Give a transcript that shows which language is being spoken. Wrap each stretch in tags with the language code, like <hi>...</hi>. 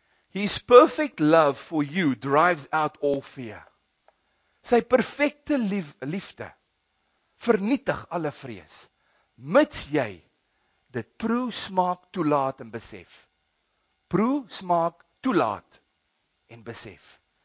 <en>His perfect love for you drives out all fear.</en> <af>Sy perfekte liefde vernietig alle vrees, mits jy dit proe smaak toelaat en besef. Proe smaak toelaat en besef.</af>